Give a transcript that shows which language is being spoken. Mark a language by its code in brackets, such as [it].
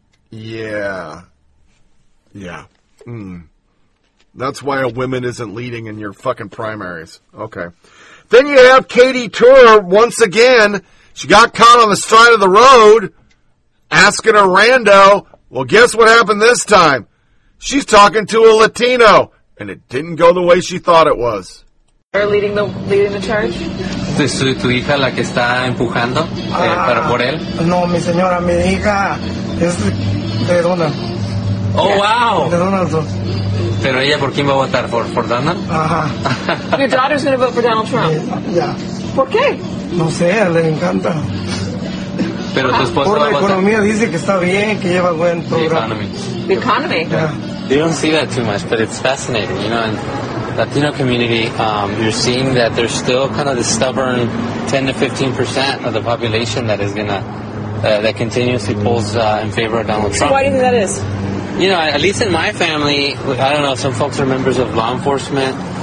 [en] Yeah. Yeah. That's why a woman isn't leading in your fucking primaries. Okay. Then you have Katie Tour once again. She got caught on the side of the road asking a rando. Well, guess what happened this time? She's talking to a Latino, and it didn't go the way she thought it was. Leading the charge. [es] ¿Es tu hija la que está empujando para por él? No, mi señora, mi hija es de Donald. [en] Oh, wow. [es] De Donald. Pero ella por quién va a votar, por Donald? Ajá. [en] Your daughter's going to vote for Donald Trump. Yeah. [es] ¿Por qué? No sé, le encanta. Pero tu esposa por la economía dice que está bien, que lleva buen programa. [en] The economy. Yeah. You don't see that too much, but it's fascinating, you know. And Latino community, you're seeing that there's still kind of the stubborn 10 to 15% of the population that is going to, that continuously pulls in favor of Donald Trump. So why do you think that is? You know, at least in my family, I don't know, some folks are members of law enforcement.